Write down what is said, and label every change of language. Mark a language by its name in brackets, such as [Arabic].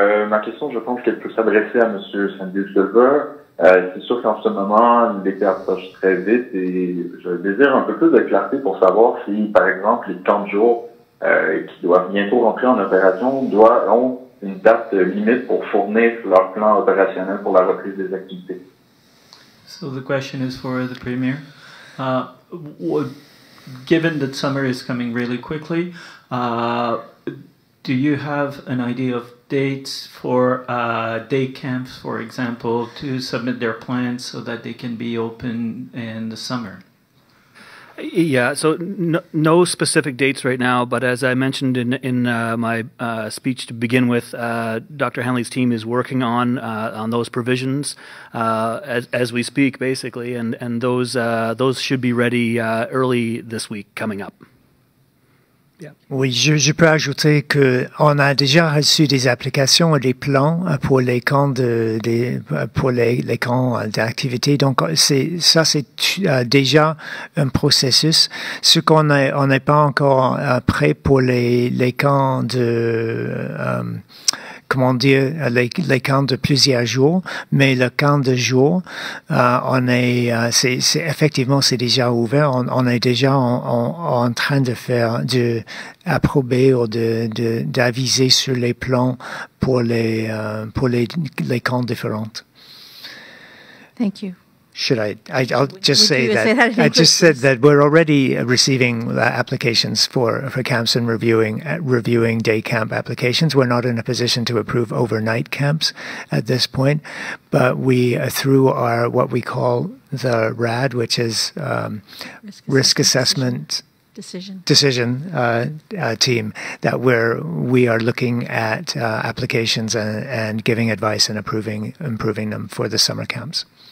[French] Ma question, je pense qu'elle peut s'adresser à M. Sandy-Silver. C'est sûr qu'en ce moment, l'été approche très vite et je désire un peu plus de clarté pour savoir si, par exemple, les camps de jour qui doivent bientôt rentrer en opération ont une date limite pour fournir leur plan opérationnel pour la reprise des activités. [English] So the question is for the Premier. Given that summer is coming really quickly, do you have an idea of dates for day camps, for example, to submit their plans so that they can be open in the summer? Yeah, so no specific dates right now, but as I mentioned in my speech to begin with, Dr. Hanley's team is working on those provisions as we speak, basically, and those should be ready early this week coming up. Yeah. [French] Oui, je peux ajouter que on a déjà reçu des applications et des plans pour les camps les camps d'activité. Donc, c'est déjà un processus. Ce qu'on est, on n'est pas encore prêt pour les camps de, comment dire, les camps de plusieurs jours, mais le camp de jour, c'est déjà ouvert. On est déjà en train de faire, d'approuver ou d'aviser sur les plans pour les camps différents. [English] Thank you. Should I just said that we're already receiving applications for camps and reviewing day camp applications. We're not in a position to approve overnight camps at this point, but we through our what we call the RAD, which is risk assessment decision team, that we are looking at applications and giving advice and improving them for the summer camps.